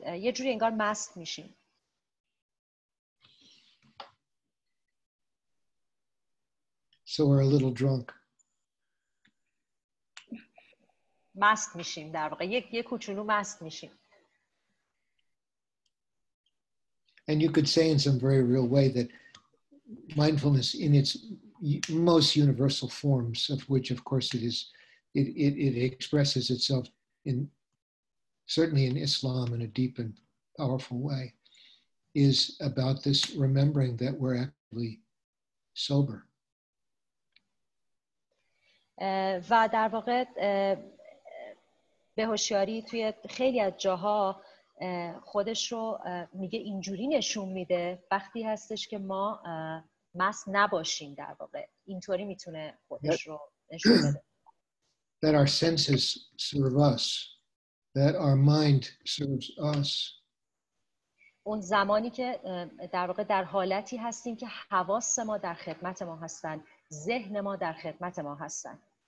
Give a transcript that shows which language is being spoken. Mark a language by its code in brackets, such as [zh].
[fa] یه جوری انگار mast میشیم. [en] So we're a little drunk. [fa] مست میشیم در واقع یک کوچولو مست میشیم. [en] And you could say in some very real way that mindfulness in its most universal forms, of which of course it is, it expresses itself in certainly in Islam in a deep and powerful way, is about this remembering that we're actually sober. [fa] و در واقع به هوشیاری توی خیلی از جاها خودش رو میگه اینجوری نشون میده وقتی هستش که ما مست نباشیم در واقع اینطوری میتونه خودش رو نشون بده [en] that our senses serve us that our mind serves us [fa] اون زمانی که در واقع در حالتی هستیم که حواس ما در خدمت ما هستن ذهن ما در خدمت ما هستن